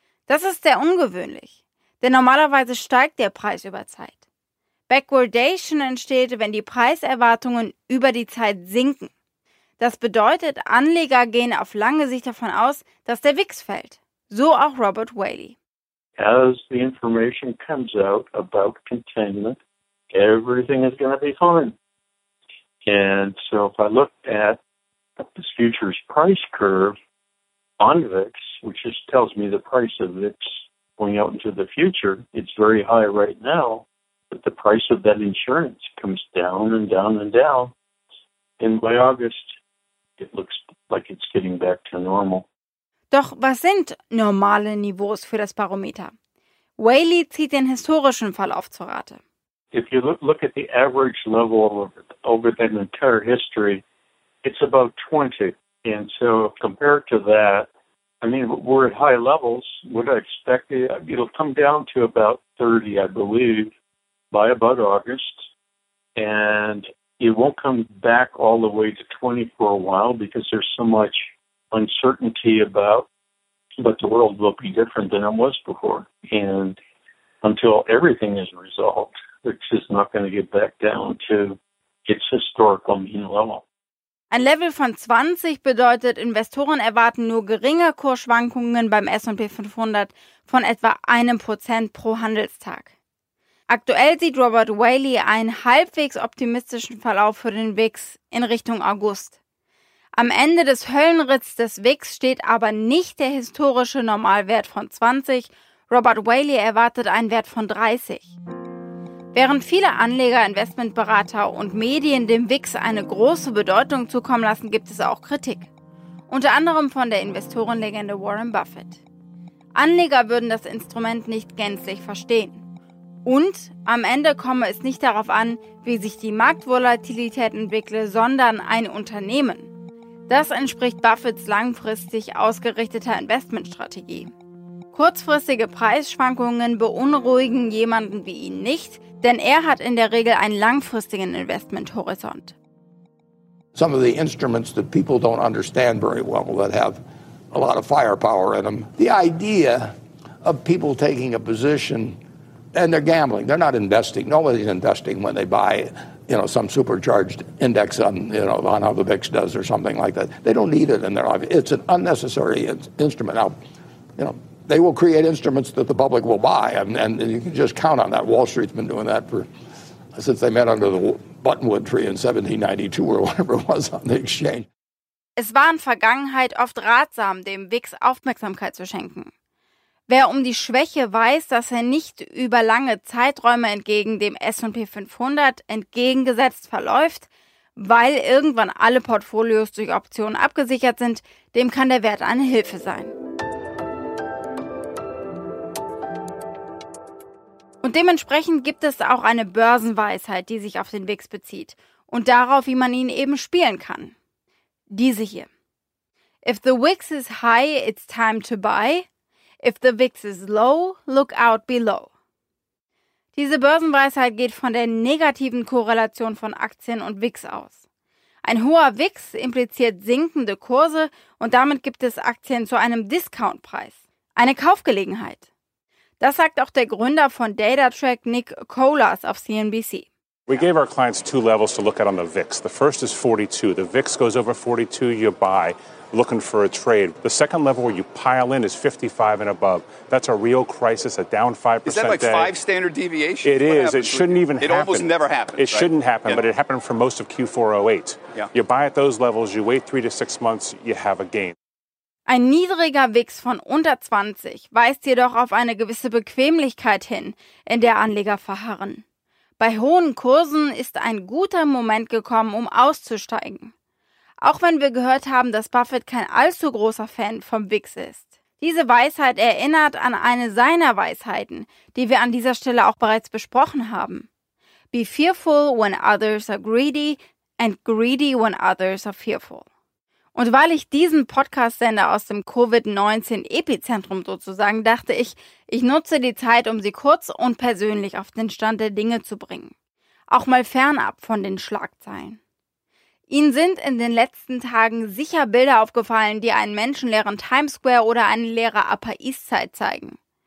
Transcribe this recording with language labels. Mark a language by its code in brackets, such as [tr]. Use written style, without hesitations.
[de] Das ist sehr ungewöhnlich, denn normalerweise steigt der Preis über Zeit. Backwardation entsteht, wenn die Preiserwartungen über die Zeit sinken. Das bedeutet, Anleger gehen auf lange Sicht davon aus, dass der VIX fällt. So auch Robert Whaley. [en] As the information comes out about containment, everything is going to be fine. And so if I look at this futures price curve on VIX, which just tells me the price of VIX going out into the future, it's very high right now, but the price of that insurance comes down and down and down. And by August, it looks like it's getting back to normal. [de] Doch was sind normale Niveaus für das Barometer? Whaley zieht den historischen Verlauf zu Rate. [en] If you look at the average level over that entire history, it's about 20. And so compared to that, I mean, we're at high levels. Would I expect it'll come down to about 30, I believe, by about August. And it won't come back all the way to 20 for a while because there's so much uncertainty about, but the world will be different than it was before. And until everything is resolved, it's just not going to get back down to its historical mean level. [de] Ein Level von 20 bedeutet, Investoren erwarten nur geringe Kursschwankungen beim S&P 500 von etwa 1% pro Handelstag. Aktuell sieht Robert Whaley einen halbwegs optimistischen Verlauf für den VIX in Richtung August. Am Ende des Höllenritts des VIX steht aber nicht der historische Normalwert von 20. Robert Whaley erwartet einen Wert von 30. Während viele Anleger, Investmentberater und Medien dem VIX eine große Bedeutung zukommen lassen, gibt es auch Kritik. Unter anderem von der Investorenlegende Warren Buffett. Anleger würden das Instrument nicht gänzlich verstehen. Und am Ende komme es nicht darauf an, wie sich die Marktvolatilität entwickle, sondern ein Unternehmen. Das entspricht Buffetts langfristig ausgerichteter Investmentstrategie. Kurzfristige Preisschwankungen beunruhigen jemanden wie ihn nicht, denn er hat in der Regel einen langfristigen Investmenthorizont. [en] Some of the instruments that people don't understand very well that have a lot of firepower in them. The idea of people taking a position and they're gambling. They're not investing. Nobody's investing when they buy it. You know, some supercharged index on how the VIX does or something like that. They don't need it in their life. It's an unnecessary instrument. Now, you know, they will create instruments that the public will buy, and you can just count on that. Wall Street's been doing that since they met under the buttonwood tree in 1792 or whatever it was on the exchange. [de] Es war in Vergangenheit oft ratsam, dem VIX Aufmerksamkeit zu schenken. Wer um die Schwäche weiß, dass er nicht über lange Zeiträume entgegen dem S&P 500 entgegengesetzt verläuft, weil irgendwann alle Portfolios durch Optionen abgesichert sind, dem kann der Wert eine Hilfe sein. Und dementsprechend gibt es auch eine Börsenweisheit, die sich auf den VIX bezieht und darauf, wie man ihn eben spielen kann. Diese hier. [en] If the VIX is high, it's time to buy. If the VIX is low, look out below. [de] Diese Börsenweisheit geht von der negativen Korrelation von Aktien und VIX aus. Ein hoher VIX impliziert sinkende Kurse und damit gibt es Aktien zu einem Discountpreis, eine Kaufgelegenheit. Das sagt auch der Gründer von DataTrack, Nick Kolas, auf CNBC. [en] We gave our clients two levels to look at on the VIX. The first is 42. The VIX goes over 42, you buy. looking for a trade. The second level where you pile in is 55 and above. That's a real crisis, a down 5% day. Is that like five standard deviations? It is. It shouldn't even happen. It almost never happens. It shouldn't happen, but it happened for most of Q4 '08. Yeah. You buy at those levels, you wait 3 to 6 months, you have a gain. [de] Ein niedriger VIX von unter 20 weist jedoch auf eine gewisse Bequemlichkeit hin, in der Anleger verharren. Bei hohen Kursen ist ein guter Moment gekommen, um auszusteigen. Auch wenn wir gehört haben, dass Buffett kein allzu großer Fan vom VIX ist. Diese Weisheit erinnert an eine seiner Weisheiten, die wir an dieser Stelle auch bereits besprochen haben. [en] Be fearful when others are greedy and greedy when others are fearful. [de] Und weil ich diesen Podcast sende aus dem Covid-19-Epizentrum sozusagen, dachte ich, ich nutze die Zeit, um sie kurz und persönlich auf den Stand der Dinge zu bringen. Auch mal fernab von den Schlagzeilen. Ihnen sind in den letzten Tagen sicher Bilder aufgefallen, die einen menschenleeren Times Square oder eine leere Upper East Side zeigen.